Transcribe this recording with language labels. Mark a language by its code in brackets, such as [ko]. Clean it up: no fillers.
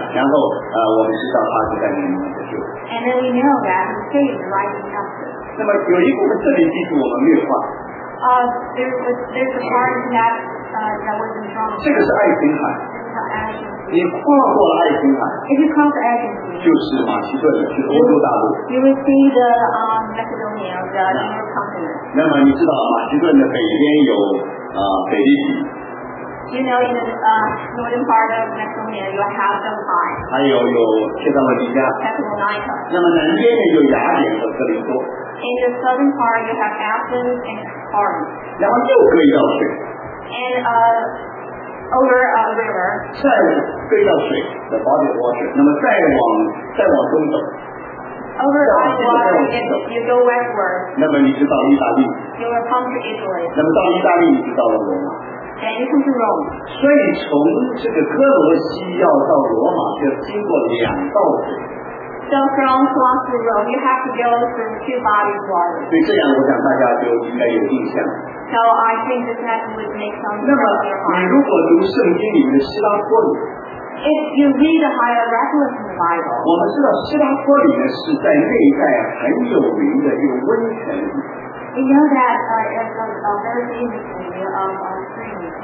[zh] 然后我们知道他是在那里的。 [en] And then we know that he stayed right in Ephesus. [zh] 那么有一部分这里记住我们略化。 [en] There's a part that wasn't drawn. [zh] 这个是爱琴海。你跨过了爱琴海。 [en] If you cross the Aegean Sea, [zh] 就是马其顿，就是欧洲大陆。 [en] You will see the Macedonia, the new continent. [zh] 那么你知道马其顿的北边有。北地底。 [en] You know, in the northern part of Macedonia, you have the pine. [zh] 还有切萨洛尼加。 [en] Thessalonica. [zh] 那么南边呢有雅典和哥林多。 [en] In the southern part, you have Athens and Corinth. [zh] 然后又隔一道水。 [en] And over a river. [zh] 再隔一道水 ， [en] the body of water. [zh] 那么再往东走。 [en] over time walking, you go westward. [zh] 那么你知道意大利。 [en] You will come to Italy. [zh] 那么到意大利，你知道了罗马。 [en] And you come to Rome. [zh] 所以从这个哥罗西要到罗马，就经过两道水。 [en] So from Colossae to Rome, you have to go through two bodies of water. [zh] 对这样，我想大家就应该有印象。 [en] So I think this method would make some sense. [zh] 那么，你如果读圣经里面的希拉托里。 [en] If you read the Hierapolis in the Bible. [zh] 我们知道希拉托里呢是在那一带很有名的一个温泉。 [en] You know that it's a very famous area of spring.